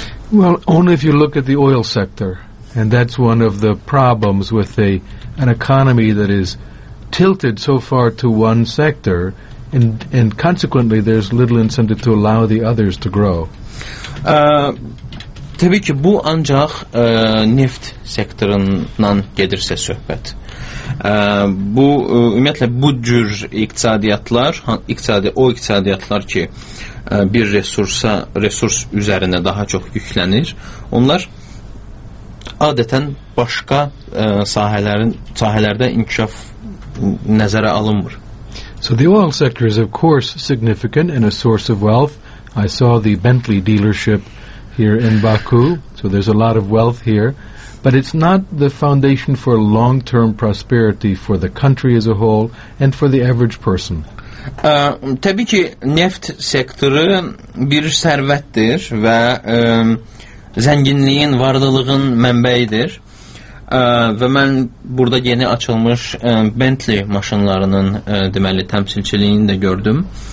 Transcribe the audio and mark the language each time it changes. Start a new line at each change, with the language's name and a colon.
English: Well, only if you look at the oil sector. And that's one of the problems with an economy that is tilted so far to one sector, and consequently there's little incentive to allow the others to grow.
Azerbaijani: Təbii ki, bu ancaq neft sektorundan gedirsə söhbət. Bu ümumiyyətlə bu cür iqtisadiyyatlar, iqtisadiyyatlar ki, bir resurs üzərinə daha çox yüklənir. Onlar adətən başqa sahələrdə inkişaf nəzərə alınmır.
English: So the oil sector is of course significant and a source of wealth. I saw the Bentley dealership here in Baku, so there's a lot of wealth here. But it's not the foundation for long-term prosperity for the country as a whole and for the average person.
Azerbaijani: Təbii ki, neft sektoru bir sərvətdir və zənginliyin, varlılığın mənbəyidir. Və mən burada yeni açılmış Bentley maşınlarının deməli təmsilçiliyini də gördüm.